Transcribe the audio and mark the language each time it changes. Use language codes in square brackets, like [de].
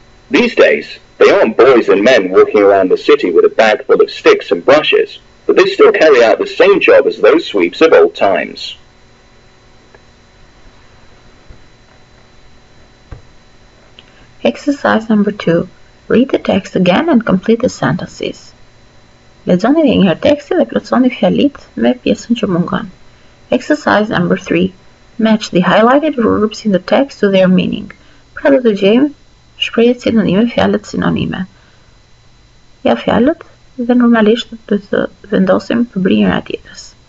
[en] These days, they aren't boys and men walking around the city with a bag full of sticks and brushes, but they still carry out the same job as those sweeps of old times. Exercise number 2. Read the text again and complete the sentences. [sq] Lexoni dhe njëherë tekstin dhe plotësoni fjalit me pjesën që mungon. [en] Exercise number 3. Match the highlighted verbs in the text to their meaning. [sq] Pra do të gjejmë shprehjet sinonime, fjalët sinonime. Ja fjalët dhe normalisht do të vendosim përbërjen e tjetrës.